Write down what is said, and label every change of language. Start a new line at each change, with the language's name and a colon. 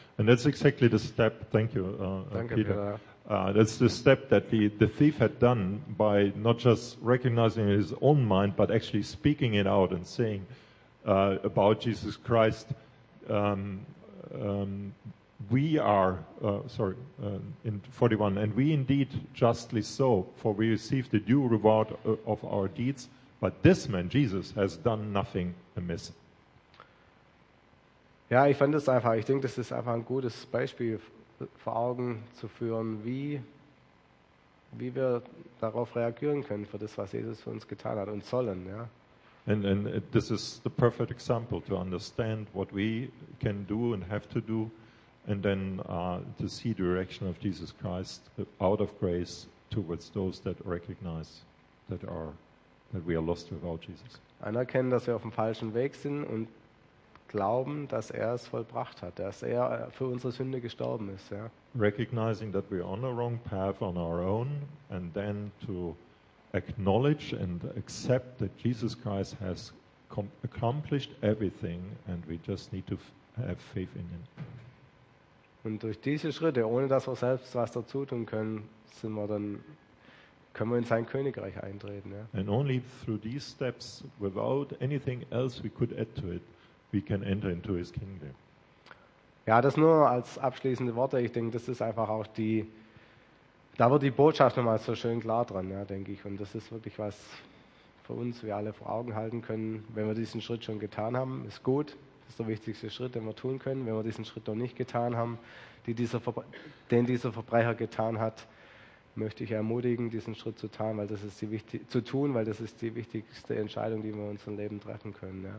English: And that's exactly the step. Thank you, Peter. That's the step that the thief had done by not just recognizing his own mind, but actually speaking it out and saying about Jesus Christ. We are in 41, and we indeed justly so, for we receive the due reward of our deeds. But this man, Jesus, has done nothing amiss.
German: Ja, ich fand das einfach, ich denke, das ist einfach ein gutes Beispiel vor Augen zu führen, wie wir darauf reagieren können, für das, was Jesus für uns getan hat und sollen. Ja.
English: And this is the perfect example to understand what we can do and have to do, and then to see the reaction of Jesus Christ out of grace towards those that recognize that are that we are lost without Jesus.
German: Anerkennen, dass wir auf dem falschen Weg sind und glauben, dass er es vollbracht hat, dass er für unsere Sünde gestorben ist. Ja.
English: Recognizing that we are on the wrong path on our own, and then to acknowledge and accept that Jesus Christ has accomplished everything, and we just need to have faith in him.
German: Und durch diese Schritte, ohne dass wir selbst was dazu tun können, sind wir dann können wir in sein Königreich eintreten. Ja.
English: And only through these steps, without anything else we could add to it, we can enter into his kingdom.
German: Ja, das nur als abschließende Worte. Ich denke, das ist einfach auch die, da wird die Botschaft nochmal so schön klar dran, ja, denke ich. Und das ist wirklich was für uns, wir alle vor Augen halten können. Wenn wir diesen Schritt schon getan haben, ist gut. Das ist der wichtigste Schritt, den wir tun können. Wenn wir diesen Schritt noch nicht getan haben, den dieser Verbrecher getan hat, möchte ich ermutigen, diesen Schritt zu tun, weil das ist die wichtigste Entscheidung, die wir in unserem Leben treffen können.